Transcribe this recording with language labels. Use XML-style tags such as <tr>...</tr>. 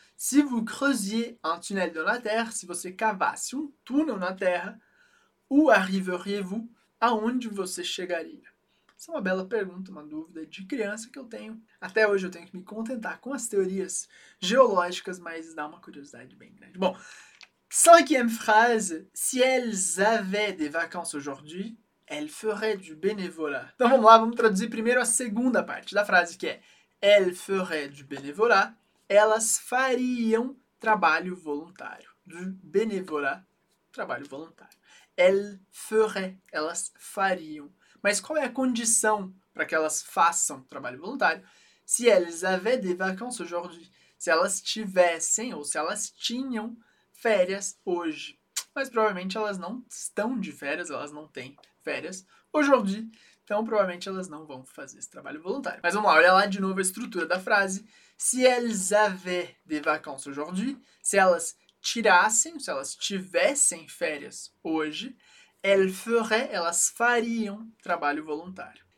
<fr>Si vous creusiez un tunnel dans la terre,</fr> <pt>se você cavasse um túnel na terra,</pt> <fr>où arriveriez-vous?</fr> <pt>Aonde você chegaria? Isso é uma bela pergunta, uma dúvida de criança que eu tenho. Até hoje eu tenho que me contentar com as teorias geológicas, mas dá uma curiosidade bem grande. Bom, cinquième phrase.</pt> <fr>Si elles avaient des vacances aujourd'hui, elles feraient du bénévolat.</fr> <pt>Então vamos lá, vamos traduzir primeiro a segunda parte da frase, que é</pt> <fr>elles feraient du bénévolat.</fr> <pt>Elas fariam trabalho voluntário.</pt> <fr>Du bénévolat,</fr> <pt>trabalho voluntário.</pt> <fr>Elles feraient,</fr> <pt>elas fariam. Mas qual é a condição para que elas façam trabalho voluntário?</pt> <fr>Si elles avaient des vacances aujourd'hui.</fr> <pt>Se elas tivessem ou se elas tinham férias hoje. Mas provavelmente elas não estão de férias, elas não têm férias aujourd'hui. Então provavelmente elas não vão fazer esse trabalho voluntário. Mas vamos lá, olha lá de novo a estrutura da frase.</pt> <fr>Si elles avaient des vacances aujourd'hui,</fr> <pt>se elas tirassem, se elas tivessem férias hoje, elas fariam trabalho voluntário.</pt>